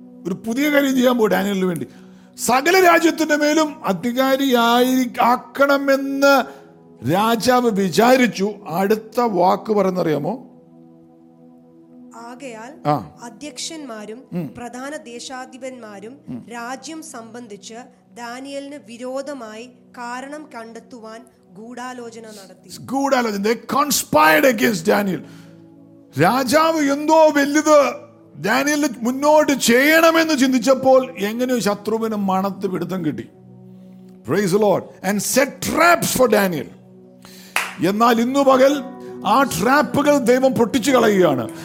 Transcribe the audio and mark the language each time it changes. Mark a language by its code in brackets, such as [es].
[ml] ഒരു പുതിയ കാര്യം ചെയ്യാൻ പോകും ഡാനിയലിന് വേണ്ടി. സകല രാജ്യത്തിന്റെ മേലും അധികാരിയായിരിക്കണമെന്ന് രാജാവ് വിചാരിച്ചു. അടുത്ത വാക്ക് പറയുന്നറിയാമോ, ആകയാൽ അധ്യക്ഷന്മാരും പ്രധാന ദേശാധിപന്മാരും രാജ്യം സംബന്ധിച്ച് ദാനിയലിന് വിരോധമായി കാരണം കണ്ടെത്തുവാൻ ഗൂഢാലോചന നടത്തി. [en] ഗൂഢാലോചന, they conspired against Daniel. [ml] രാജാവ് എന്തോ വലുത് ദാനിയൽ മുന്നോട്ട് ചെയ്യണമെന്ന് ചിന്തിച്ചപ്പോൾ എങ്ങനെയോ ശത്രുവിന് മണത്ത് പിടുത്തം കിട്ടി. [en] Praise the Lord. And set traps for Daniel. [ml] എന്നാൽ ഇന്നു പകൽ ആ ട്രാപ്പുകൾ ദൈവം പൊട്ടിച്ചു കളയുകയാണ്.